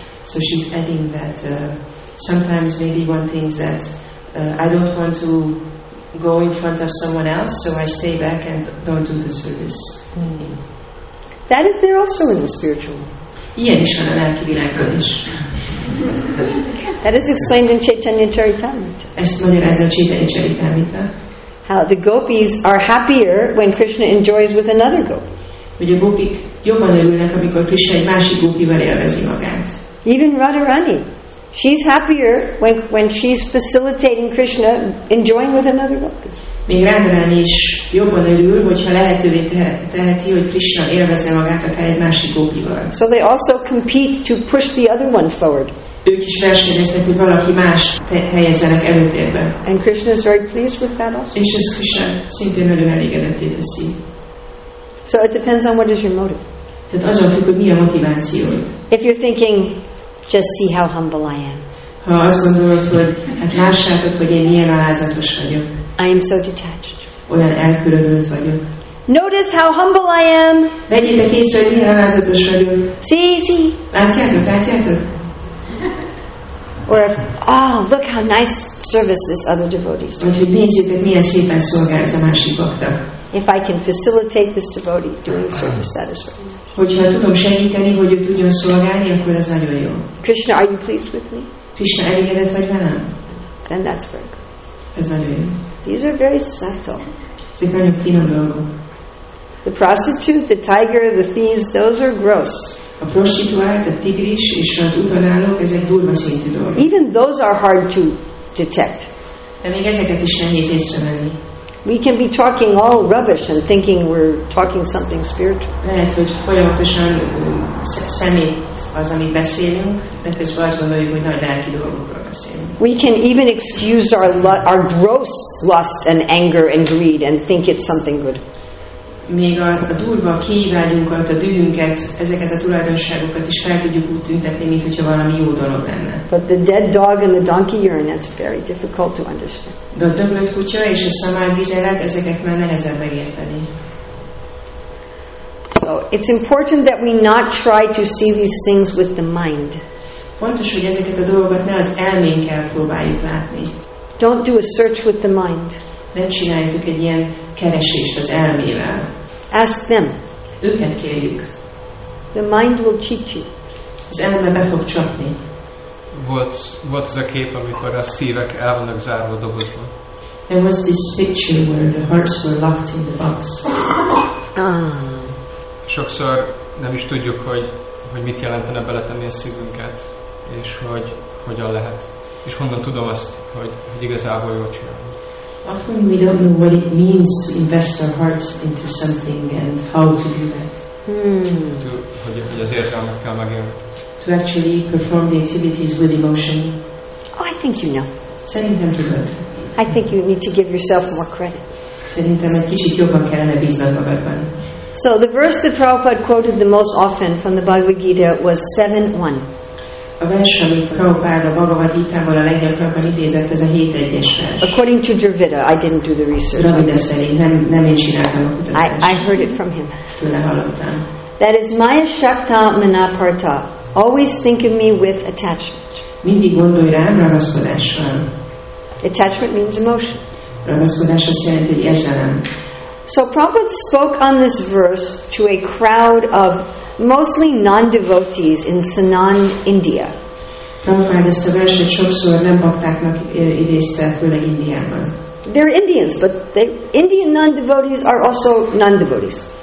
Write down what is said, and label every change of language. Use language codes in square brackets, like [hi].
[en] So she's adding that sometimes maybe one thinks that I don't want to go in front of someone else, so I stay back and don't do the service. That is there also in the spiritual. [hu] Ilyen is van a lelki világban is. [en] That is explained in Chaitanya Charitamrita. [hu] Ezt magyarázza a Chaitanya Charitamrita. [en] How the gopis are happier when Krishna enjoys with another gopi. [hu] Hogy a gopik jobban örülnek, amikor Krishna egy másik gopival élvezi magát. [en] Even Radharani. She's happier when she's facilitating Krishna enjoying with another gopi. [hu] Még Radharani is jobban örül, hogyha lehetővé teheti, hogy Krishna élvezze magát akár egy másik gopival. [en] So they also compete to push the other one forward. [hu] Ők is versenyeznek, hogy valaki más helyezzenek előtérbe. [en] And Krishna is very pleased with that also. [hu] És ez Krishna szintén nagyon elégedetté teszi. [en] So it depends on what is your motive. [hu] Tehát azon függ, hogy mi a motivációd. [en] If you're thinking, just see how humble I am. [hu] Ha azt gondolod, hogy hát lássátok, hogy én milyen alázatos vagyok. [en] I am so detached. [hu] Olyan elkülönült vagyok. [en] Notice how humble I am. [hu] Vegyétek észre, hogy milyen alázatos vagyok. [en] See. [hu] Látjátok. [en] Or, oh, look how nice service this other devotee is doing. [hu] Vagy hogy nézzétek, milyen szépen szolgál ez a másik bakta. [en] If I can facilitate this devotee doing service, that is right. [hu] Hogyha tudom segíteni, hogy ő tudjon szolgálni, akkor ez nagyon jó. [en] Krishna, are you pleased with me? [hu] Krishna, elégedett vagy velem? [en] Then that's very good. [hu] Ez nagyon jó. [en] These are very subtle. [hu] Ezek nagyon finom dolgok. [en] The prostitute, the tiger, the thieves, those are gross. [hu] A prostituált, a tigris és az utanállók, ezek durva szintű dolgok. [en] Even those are hard to detect. [hu] De még ezeket is nehéz észrevenni. [en] We can be talking all rubbish and thinking we're talking something spiritual. [hu] Lehet, hogy folyamatosan szemét az, amit beszélünk, de közben azt gondoljuk, hogy nagy lelki dolgokról beszélünk. [en] We can even excuse our gross lust and anger and greed and think it's something good. [hu] Még a durva kívánunkat, a dühünket, ezeket a tulajdonságokat is fel tudjuk úgy tüntetni, mint hogyha valami jó dolog lenne. [en] But the dead dog and the donkey urine, that's very difficult to understand. [hu] De a döglött kutya és a szamár vizelet, ezeket már nehezebb megérteni. [en] So it's important that we not try to see these things with the mind. [hu] Fontos, hogy ezeket a dolgokat ne az elménkkel próbáljuk látni. [en] Don't do a search with the mind. [hu] Nem csináljuk egy ilyen keresést az elmével. [en] Ask them. [hu] Őket kérjük. [en] The mind will cheat you. [hu] Az elme be fog csapni. volt ez a kép, amikor a szívek el vannak zárva a dobozba. [en] There was this picture where the hearts were locked in the box. [hu] Sokszor nem is tudjuk, hogy mit jelentene beletenni a szívünket, és hogy hogyan lehet, és honnan tudom azt, hogy igazából jól csinálom. [en] Often we don't know what it means to invest our hearts into something and how to do that. [hu] Hogy az érzelmet kell megélni. [en] To actually perform the activities with emotion. Oh, I think you know. Sending them to God. I think you need to give yourself more credit. [hu] Szerintem egy kicsit jobban kellene bíznod magadban. [en] So the verse that Prabhupada quoted the most often from the Bhagavad Gita was 7:1. [hu] A vers, amit Prabhupada Bhagavad Gita-ból a leggyakrabban idézett, ez a 7:1-es vers. [en] According to Dravida, I didn't do the research. [hu] Dravida szerint, nem én csináltam a kutatást. [en] I heard it from him. [hu] Tőle hallottam. [en] That is [sa] maya shakta manaparta. [en] Always think of me with attachment. [hu] Mindig gondolj rám ragaszkodással. [en] Attachment means emotion. [hu] Ragaszkodás azt jelenti, hogy érzelem. [en] So Prabhupada spoke on this verse to a crowd of mostly non-devotees in Sanand, India. [hu] Prabhupada ezt a verset sokszor nem baktáknak idézte, főleg Indiában. [en] They're Indians, but the Indian non-devotees are also non-devotees.